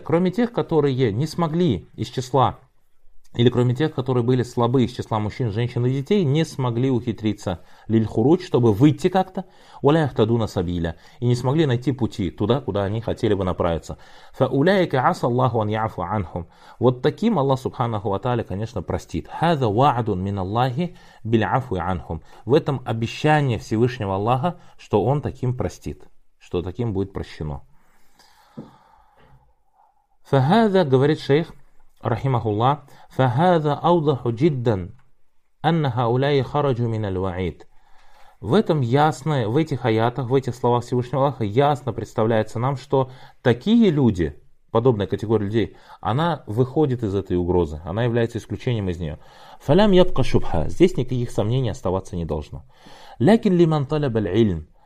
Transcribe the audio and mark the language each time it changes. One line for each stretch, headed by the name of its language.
Russian: Кроме тех, которые не смогли из числа, или кроме тех, которые были слабы из числа мужчин, женщин и детей, не смогли ухитриться
Arabic: лиль-хуруч,
Russian: чтобы выйти как-то,
Arabic: уля яхтадуна сабиля,
Russian: и не смогли найти пути туда, куда они хотели бы направиться.
Arabic: Фа уляйка аса Аллаху ан яфу анхум.
Russian: Вот таким Аллах Субханаху ва Тааля, конечно, простит.
Arabic: Хаза ваадун мин Аллахи биль афу анхум.
Russian: В этом обещание Всевышнего Аллаха, что Он таким простит, что таким будет прощено.
Arabic: Фа хаза,
Russian: говорит шейх,
Arabic: рахимахуллах, فَهَذَا أَوْضَحُ جِدًّا أَنَّ هَؤُلَاءِ خَرَجُوا مِنَ الْوَعِيدِ.
Russian: В этом ясно, в этих аятах, в этих словах Всевышнего Аллаха ясно представляется нам, что такие люди, подобная категория людей, она выходит из этой угрозы, она является исключением из нее.
Arabic: فَلَمْ يَبْقَ شُبْحَ.
Russian: Здесь никаких сомнений оставаться не должно.
Arabic: لَكِنْ لِمَنْ طَلَبَ الْعِلْمِ.